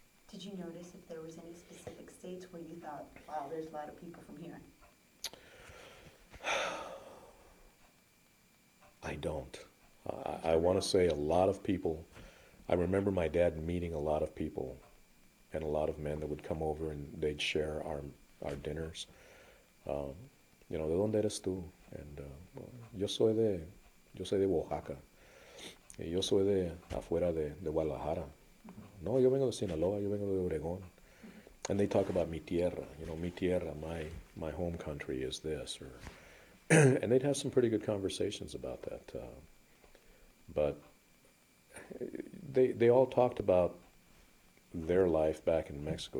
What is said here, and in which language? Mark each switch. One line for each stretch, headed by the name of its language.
English: Did you notice if there was any specific states where you thought, wow, there's a lot of people from here? I don't. I want to say a lot of people. I remember my dad meeting a lot of people and a lot of men that would come over and they'd share our dinners. You know,
Spanish: ¿de dónde eres tú? And yo soy de Yo soy de Oaxaca. Y yo soy de afuera de Guadalajara. No, yo vengo de Sinaloa, yo vengo de Obregón.
English: And they talk about
Spanish: mi tierra,
English: you know, mi tierra, my home country is this, or and they'd have some pretty good conversations about that. But they all talked about their life back in Mexico.